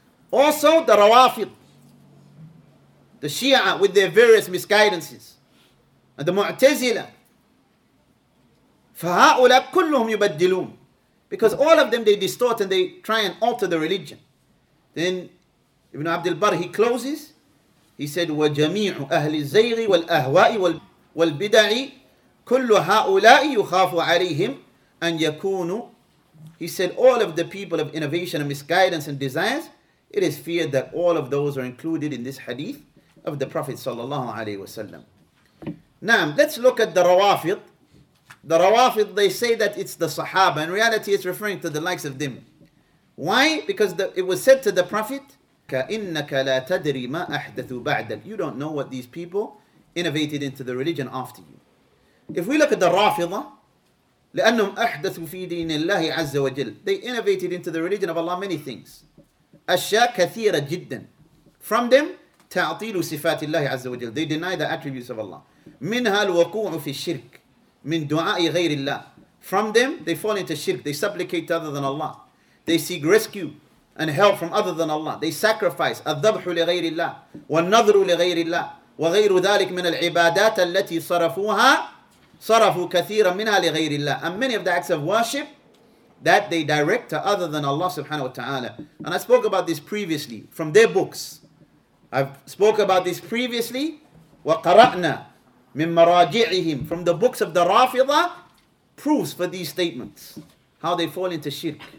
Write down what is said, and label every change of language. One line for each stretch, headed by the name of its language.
English: Also, the Rawafid, the Shia with their various misguidances, and the Mu'tazila.
Arabic: فَهَاُولَا كُلُّهُمْ يُبَدِّلُونَ.
English: Because all of them, they distort and they try and alter the religion. Then Ibn Abdul Barr, he closes. He said,
Arabic: وَجَمِيعُ أَهْلِ الزَّيْغِ وَالْأَهْوَاءِ وَالْبِدَعِ كُلُّ هَؤُلَاءِ يُخَافُ عَلَيْهِمْ أَنْ يَكُونُ.
English: He said, all of the people of innovation and misguidance and desires, it is feared that all of those are included in this hadith of the Prophet sallallahu alayhi wasallam. Now, let's look at the Rawafid. The Rawafid, they say that it's the Sahaba. In reality, it's referring to the likes of them. Why? Because it was said to the Prophet,
Arabic: كَإِنَّكَ لَا تَدْرِي مَا أَحْدَثُ بَعْدَلْ.
English: You don't know what these people innovated into the religion after you. If we look at the Rafidah,
Arabic: لأنهم أحدثوا في دين الله عز وجل.
English: They innovated into the religion of Allah many things.
Arabic: أشياء كثيرة جدا.
English: From them,
Arabic: تعطيل صفات الله عز وجل.
English: They deny the attributes of Allah.
Arabic: منها الوقوع في الشرك. من دعاء غير الله.
English: From them, they fall into shirk. They supplicate to other than Allah. They seek rescue and help from other than Allah. They sacrifice.
Arabic: الذبح لغير الله. والنظر لغير الله. وغير ذلك من العبادات التي صرفوها. صَرَفُوا كَثِيرًا مِنْهَا لِغَيْرِ اللَّهِ.
English: And many of the acts of worship that they direct to other than Allah subhanahu wa ta'ala. And I spoke about this previously from their books. I've spoke about this previously.
Arabic: وَقَرَأْنَا مِنْ مَرَاجِعِهِمْ.
English: From the books of the Rafidah, proofs for these statements. How they fall into shirk.